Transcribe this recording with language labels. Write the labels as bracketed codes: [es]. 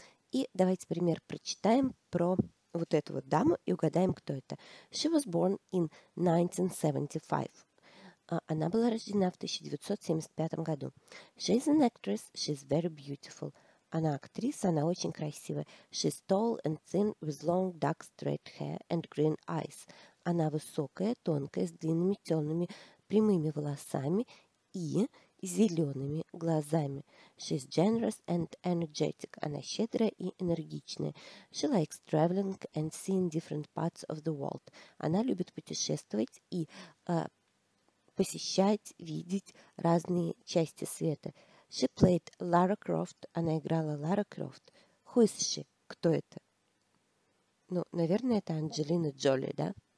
[ru] И давайте пример прочитаем про вот эту вот даму и угадаем, кто это. [en] She was born in 1975. [ru] Она была рождена в 1975 году. [en] She is an actress. She's very beautiful. [ru] Она актриса, она очень красивая. [en] She's tall and thin with long dark straight hair and green eyes. [ru] Она высокая, тонкая, с длинными темными прямыми волосами и зелеными глазами. [en] She's generous and energetic. [ru] Она щедрая и энергичная. [en] She likes traveling and seeing different parts of the world. [ru] Она любит путешествовать и посещать, видеть разные части света. [en] She played Lara Croft. [ru] Она играла Lara Croft. [en] Who is she? [ru] Кто это? Ну, наверное, это Анджелина Джоли, да?